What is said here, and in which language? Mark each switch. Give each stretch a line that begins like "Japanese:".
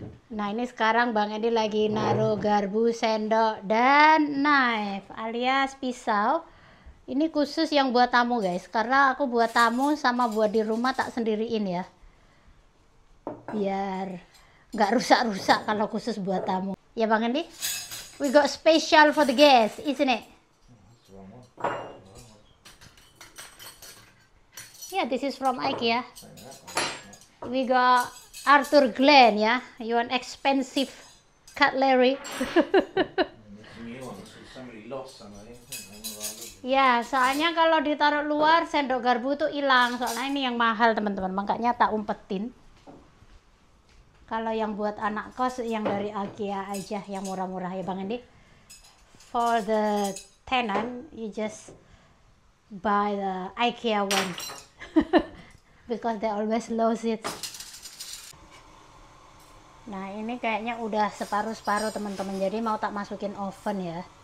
Indonesian: Nah ini sekarang Bang Edi lagi naruh garpu, sendok, dan knife alias pisau. Ini khusus yang buat tamu, guys, karena aku buat tamu sama buat di rumah tak sendiriin ya, biar gak rusak-rusak kalau khusus buat tamu. Ya Bang Edi,
English: we got special for the guest, isn't it? Yeah, this is from IKEA. We got Arthur Glenn ya, yeah? You an expensive cutlery.
Indonesian: Ya, soalnya kalau ditaruh luar sendok garpu tuh hilang, soalnya ini yang mahal teman-teman, makanya tak umpetin. Kalau yang buat anak kos yang dari IKEA aja yang murah-murah ya Bang Andi.
English: For the tenant, you just buy the IKEA one. Because they always lose it.
Indonesian: Nah ini kayaknya udah separuh-separuh teman-teman, jadi mau tak masukin oven ya.